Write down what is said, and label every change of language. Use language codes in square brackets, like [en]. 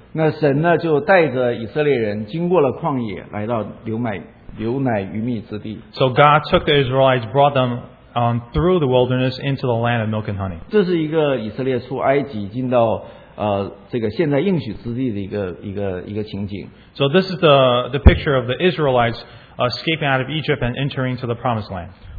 [zh] 那神呢, 就带着以色列人经过了旷野, 来到流奶鱼蜜之地。 [en] So God took the Israelites, brought them on through the wilderness into the land of milk and honey. [zh] 这是一个以色列出埃及进到 这个现在应许之地的一个情景。 [en] So this is the picture of the Israelites escaping out of Egypt and entering to the promised land.